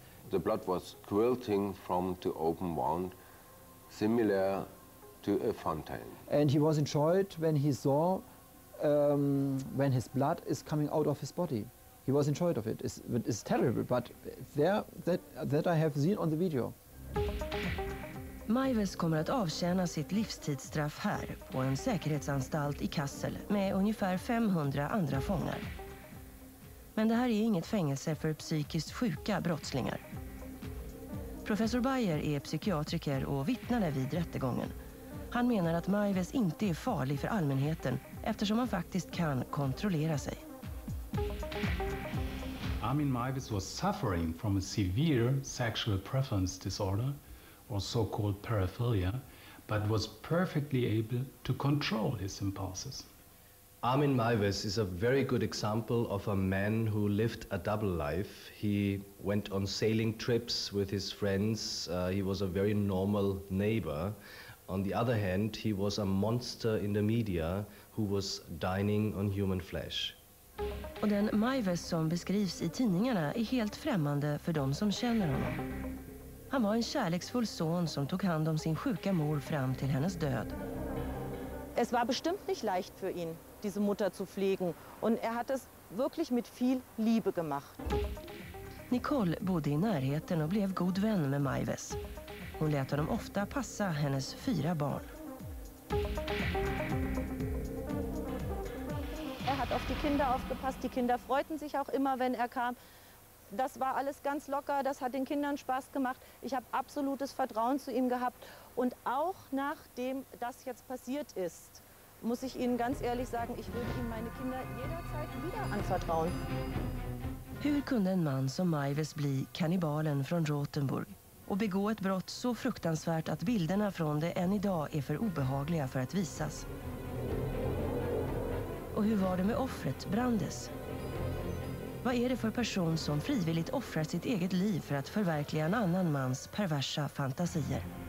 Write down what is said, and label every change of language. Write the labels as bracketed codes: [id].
[en] The blood was quilting from the open wound, similar to a fountain. And he was in shock when he saw when his blood is coming out of his body. He was in shock of it. It's terrible, but there that I have seen on the video. [sv] Maives kommer att avtjäna sitt livstidsstraff här på en säkerhetsanstalt i Kassel med ungefär 500 andra fångar. Men det här är inget fängelse för psykiskt sjuka brottslingar. Professor Bayer är psykiatriker och vittnade vid rättegången. Han menar att Maives inte är farlig för allmänheten eftersom han faktiskt kan kontrollera sig. [en] Armin Maives was suffering from a severe sexual preference disorder, or so-called paraphilia, but was perfectly able to control his impulses. Armin Maives is a very good example of a man who lived a double life. He went on sailing trips with his friends. He was a very normal neighbor. On the other hand, he was a monster in the media who was dining on human flesh. [sv] Och den Maives som beskrivs i tidningarna är helt främmande för de som känner honom. Han var en kärleksfull son som tog hand om sin sjuka mor fram till hennes död. [de] Es war bestimmt nicht leicht für ihn, diese Mutter zu pflegen. Und hat es wirklich mit viel Liebe gemacht. [sv] Nicole bodde i närheten och blev god vän med Maives. Hon lät honom ofta passa hennes fyra barn. [de] Hat auf die Kinder aufgepasst. Die Kinder freuten sich auch immer, wenn kam. Das war alles ganz locker, das hat den Kindern Spaß gemacht. Ich habe absolutes Vertrauen zu ihm gehabt. Und auch nachdem das jetzt passiert ist, muss ich Ihnen ganz ehrlich sagen, ich würde Ihnen meine Kinder jederzeit wieder anvertrauen. [sv] Hur kunde en man som Maives bli kannibalen från Rotenburg och begå ett brott så fruktansvärt att bilderna från det än idag är för obehagliga för att visas? Och hur var det med offret, Brandes? Vad är det för person som frivilligt offrar sitt eget liv för att förverkliga en annan mans perversa fantasier?